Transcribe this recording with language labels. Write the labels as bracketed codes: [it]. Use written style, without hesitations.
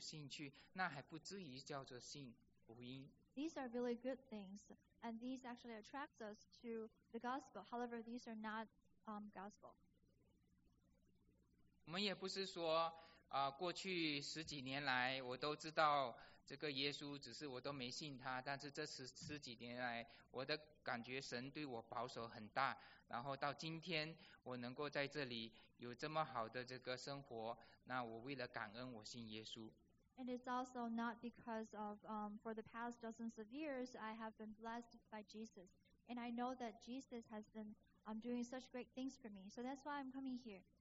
[zh] 这些都很好，这些都能够让我们能够说我对这个信仰有兴趣，那还不至于叫做信福音。 [en] These are really good things, and these actually attract us to the gospel. However, these are not gospel. [zh] 我们也不是说过去十几年来我都知道 这个耶稣只是我都没信他，但是这十几年来，我的感觉神对我保守很大，然后到今天我能够在这里有这么好的这个生活，那我为了感恩我信耶稣。 [en] And it's also not because of for the past dozens of years I have been blessed by Jesus, and I know that Jesus has been doing such great things for me, so that's why I'm coming here.